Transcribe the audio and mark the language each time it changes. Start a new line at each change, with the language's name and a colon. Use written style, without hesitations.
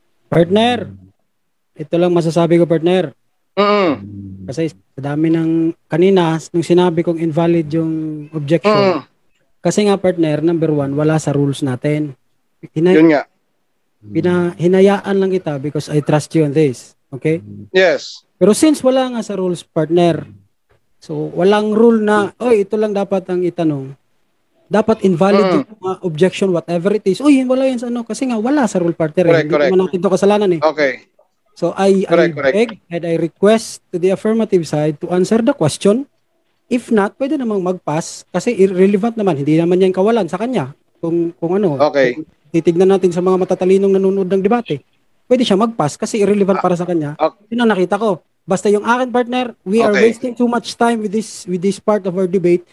Filipino: Partner, ito lang masasabi ko, partner. Kasi sa dami ng kanina, nung sinabi kong invalid yung objection, kasi nga, partner, number one, wala sa rules natin. Hinayaan lang kita
English: because I trust you on this. Okay? Yes.
Filipino: Pero since wala nga sa rules, partner, so walang rule na, oy, ito lang dapat ang itanong. Dapat invalid yung objection,
English: whatever it is.
Filipino: Uy, wala yun sa ano. Kasi nga, wala sa rule, partner.
English: Correct,
Filipino: hindi
English: correct.
Filipino: Naman natin ito kasalanan eh.
English: Okay. So I beg and I request to the affirmative side to answer the question. If not,
Filipino: pwede namang mag-pass kasi irrelevant naman. Hindi naman yan kawalan sa kanya. Kung ano,
English: okay.
Filipino: Kung titignan natin sa mga matatalinong nanonood ng debate, pwede siya mag-pass kasi irrelevant para sa kanya.
English: Okay.
Filipino: Yun ang nakita ko. Basta yung akin,
English: partner, we are wasting too much time with this part of our debate.